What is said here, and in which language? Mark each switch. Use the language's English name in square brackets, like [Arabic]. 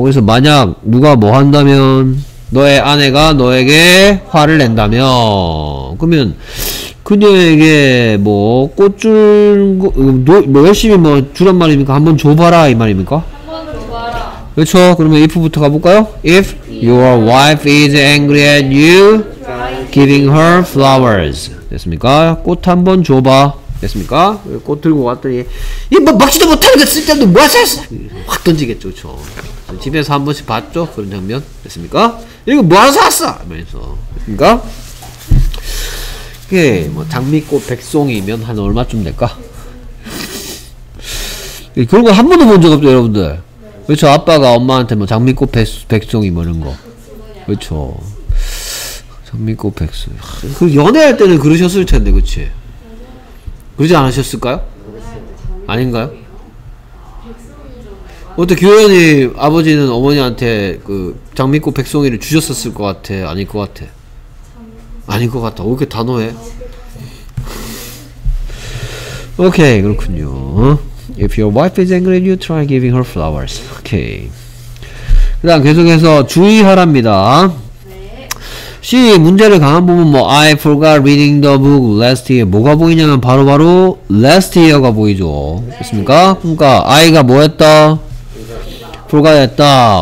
[Korean] 그래서 만약 누가 뭐 한다면 너의 아내가 너에게 화를 낸다면 그러면 그녀에게 뭐 꽃줄 뭐 열심히 뭐 주란 말입니까? 한번 줘봐라 이 말입니까? 그렇죠. 그러면 if부터 가볼까요? [English] If your wife is angry at you, giving her flowers. [Korean] 됐습니까? 꽃 한번 줘봐. 됐습니까? 꽃 들고 왔더니 이 뭐 먹지도 못하는 거 쓸데도 뭐야 쓰. 확 던지겠죠. 그렇죠. 집에서 한 번씩 봤죠. 그런 장면. 됐습니까? 이거 뭐하러 샀어? 이러면서. 됐습니까? 이게 뭐 장미꽃 백송이면 한 얼마쯤 될까? 그런 거 한 번도 본 적 없죠, 여러분들. 그렇죠. 아빠가 엄마한테 뭐 장미꽃 백송이 뭐 이런 거. 그렇죠. 장미꽃 백송이. 그 연애할 때는 그러셨을 텐데, 그렇지? 그러지 않으셨을까요? 아닌가요? 어떻게 교연이 아버지는 어머니한테 그 장미꽃 백송이를 주셨었을 것 같아? 아닐 것 같아? 아닐 것 같다. 왜 이렇게 단호해? 오케이, 그렇군요. [English] If your wife is angry, you try giving her flowers. Okay. [Korean] 그 다음 계속해서 주의하랍니다. 네. C 문제를 가만 보면 뭐 [English] I forgot reading the book last year. [Korean] 뭐가 보이냐면 바로 last year가 보이죠. 됐습니까? 네. 그러니까 I가 뭐 했다? forgot 했다.